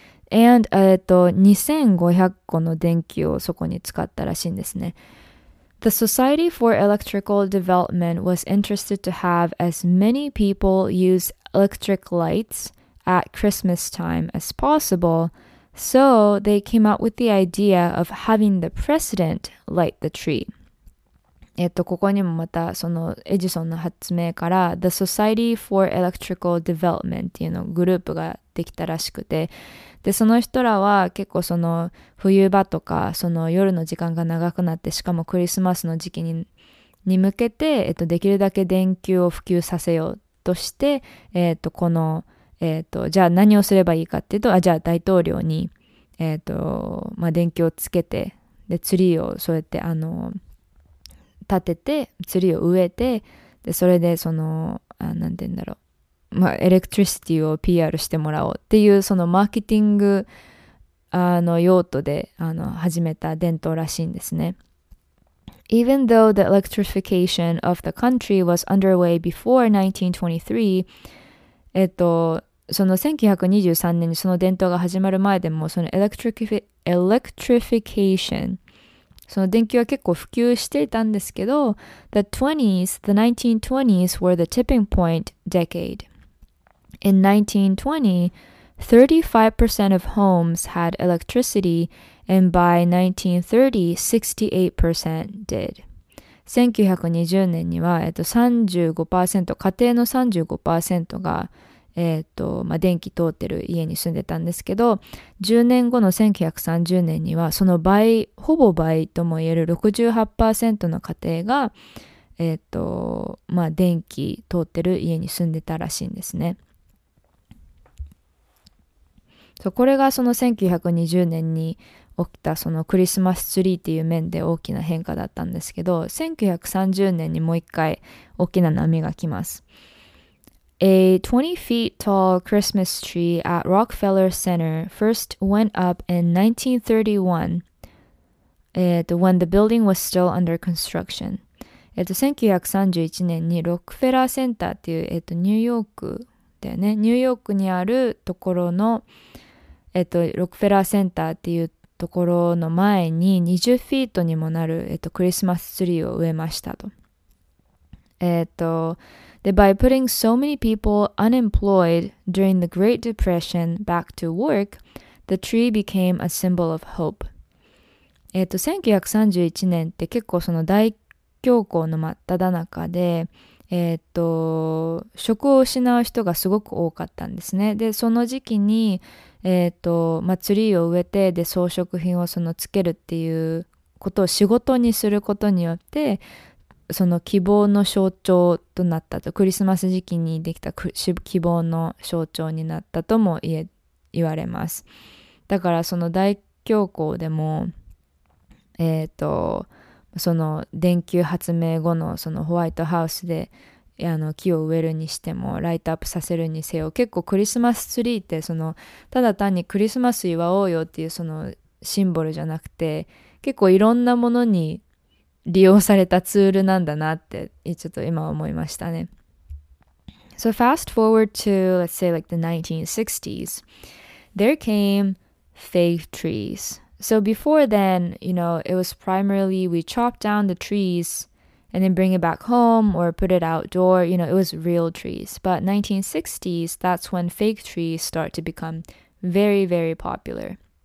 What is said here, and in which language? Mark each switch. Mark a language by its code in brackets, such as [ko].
[ja] And 2,500 個の電気をそこに使ったらしいんですね。 [en] The Society for Electrical Development was interested to have as many people use electric lights at Christmas time as possible, so they came up with the idea of having the president light the tree. [ja] ここにもまたそのエジソンの発明から The Society for Electrical Development っていうのグループができたらしくて、でその人らは結構その冬場とかその夜の時間が長くなって、しかもクリスマスの時期 に向けて、できるだけ電球を普及させようとして、この、じゃあ何をすればいいかっていうと、あ、じゃあ大統領に、まあ、電球をつけて、でツリーをそうやって立てて、ツリーを植えて、でそれでその、あ、なんて言うんだろう、まあ、エレクトリシティを PR してもらおうっていう、そのマーケティング用途で始めた伝統らしいんですね。 [en] Even though the electrification of the country was underway before 1923, [ja] その1923年にその伝統が始まる前でも、そのエレクトリフィケーション、その電球は結構普及していたんですけど、 [en] The 1920s were the tipping point decade. In 1920, 35% of homes had electricity, and by 1930, 68% did. [ja] 1920年には、35% 家庭の 35% が、まあ、電気通ってる家に住んでたんですけど、10年後の1930年にはその倍、ほぼ倍とも言える 68% の家庭が、まあ、電気通ってる家に住んでたらしいんですね。そう、これがその1920年に起きたそのクリスマスツリーっていう面で大きな変化だったんですけど、1930年にもう一回大きな波が来ます。 [en] A 20 feet tall Christmas tree at Rockefeller Center first went up in 1931, when the building was still under construction. [ja] 1931年にロックフェラーセンターっていう、ニューヨークだよね。ニューヨークにあるところの、ロックフェラーセンターっていうところの前に20フィートにもなる、クリスマスツリーを植えましたと。 [en] で、by putting so many people unemployed during the Great Depression back to work, the tree became a symbol of hope. [ja] 1931年って結構その大恐慌の真っ只中で、職を失う人がすごく多かったんですね。で、その時期に、まあ、ツリーを植えて、で、装飾品をそのつけるっていうことを仕事にすることによって、その希望の象徴となったと、クリスマス時期にできた希望の象徴になったとも言われます。だからその大恐慌でも、その電球発明後のそのホワイトハウスで木を植えるにしてもライトアップさせるにせよ、結構クリスマスツリーってそのただ単にクリスマス祝おうよっていうそのシンボルじゃなくて、結構いろんなものに利用されたツールなんだなってちょっと今思いましたね。 [en] So fast forward to let's say like the 1960s, there came faith treesSo before then, you know, it was primarily we chopped down the trees and then bring it back home or put it outdoor. You know, it was real trees. But 1960s, that's when fake trees start to become very, very popular.